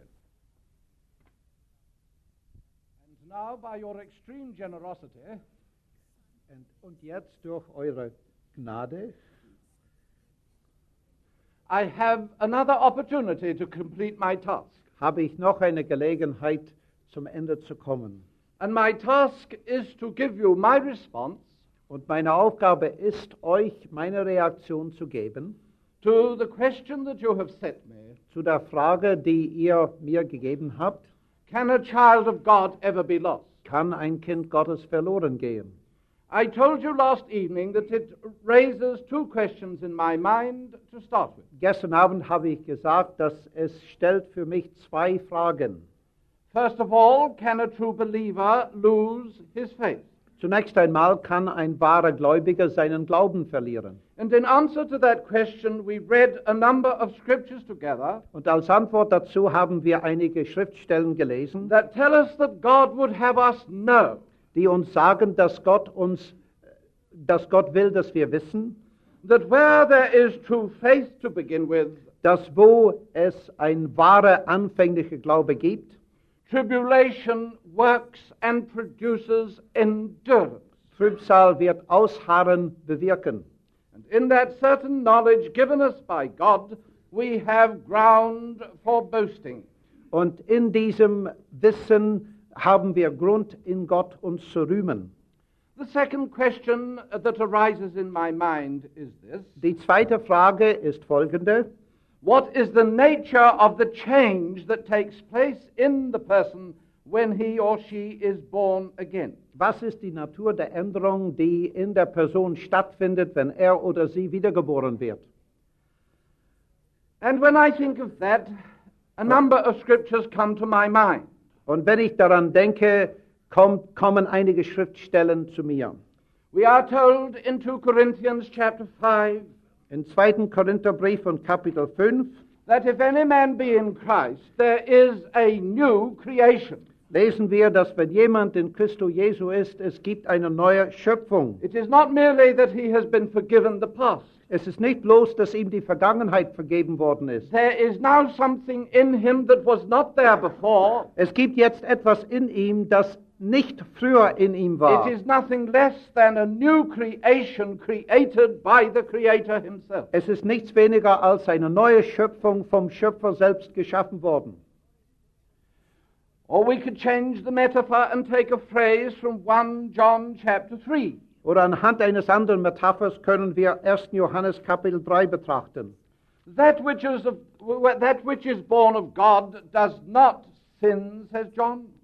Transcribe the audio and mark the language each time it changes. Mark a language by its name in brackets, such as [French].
[English] And now by your extreme generosity, [German] und jetzt durch eure Gnade, [English] I have another opportunity to complete my task. [German] Habe ich noch eine Gelegenheit, zum Ende zu kommen. [English] And my task is to give you my response. [German] Und meine Aufgabe ist, euch meine Reaktion zu geben. [English] To the question that you have set me. [German] Zu der Frage, die ihr mir gegeben habt. [English] Can a child of God ever be lost? [German] Kann ein Kind Gottes verloren gehen? [English] I told you last evening that it raises two questions in my mind to start with. [German] Gestern Abend habe ich gesagt, dass es stellt für mich zwei Fragen. [English] First of all, can a true believer lose his faith? [German] Zunächst einmal kann ein wahrer Gläubiger seinen Glauben verlieren. [English] And in answer to that question, we read a number of scriptures together. [German] Und als Antwort dazu haben wir einige Schriftstellen gelesen. [English] That tell us that God would have us know. [German] Die uns sagen, dass Gott will, dass wir wissen. [English] That where there is true faith to begin with. [German] Dass wo es ein wahrer anfänglicher Glaube gibt. [English] Tribulation works and produces endurance. [German] Trübsal wird Ausharren bewirken. [English] And in that certain knowledge given us by God, we have ground for boasting. [German] Und in diesem Wissen haben wir Grund in Gott uns zu rühmen. [English] The second question that arises in my mind is this. [German] Die zweite Frage ist folgende. [English] What is the nature of the change that takes place in the person when he or she is born again? [German] Was ist die Natur der Änderung, die in der Person stattfindet, wenn er oder sie wiedergeboren wird? [English] And when I think of that, a number of scriptures come to my mind. [German] Und wenn ich daran denke, kommen einige Schriftstellen zu mir. [English] We are told in 2 Corinthians chapter 5, in 2. [German] Korintherbrief und Kapitel 5, [English] that if any man be in Christ, there is a new creation. [German] Lesen wir, dass wenn jemand in Christo Jesu ist, es gibt eine neue Schöpfung. [English] It is not merely that he has been forgiven the past. [German] Es ist nicht bloß, dass ihm die Vergangenheit vergeben worden ist. [English] There is now something in him that was not there before. [German] Es gibt jetzt etwas in ihm, das nicht früher in ihm war. [English] It is nothing less than a new creation created by the Creator himself. [German] Es ist nichts weniger als eine neue Schöpfung vom Schöpfer selbst geschaffen worden. [English] Or we could change the metaphor and take a phrase from 1 John chapter 3. [German] Oder anhand eines anderen Metaphers können wir 1. Johannes Kapitel 3 betrachten. [English] That which is born of God does not sin, says John.